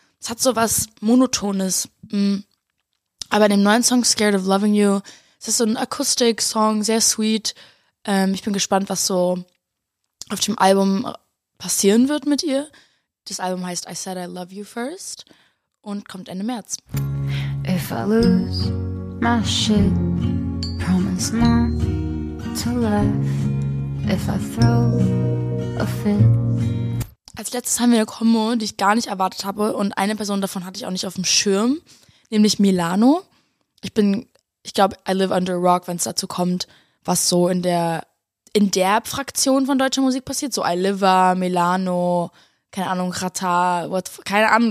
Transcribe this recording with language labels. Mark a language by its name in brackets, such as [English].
[German] Es hat so was Monotones. Aber in dem neuen Song Scared of Loving You, es ist so ein Akustik-Song, sehr sweet. Ich bin gespannt, was so auf dem Album passieren wird mit ihr. Das Album heißt I Said I Love You First und kommt Ende März. [English] If I lose my shit, promise not to laugh. If I throw a fit. [German] Als letztes haben wir eine Kombo, die ich gar nicht erwartet habe. Und eine Person davon hatte ich auch nicht auf dem Schirm. Nämlich Milano. Ich glaube, [English] I live under a rock, [German] wenn es dazu kommt, was so in der Fraktion von deutscher Musik passiert. [English] So I live, [German] Milano, keine Ahnung, Rata, keine Ahnung.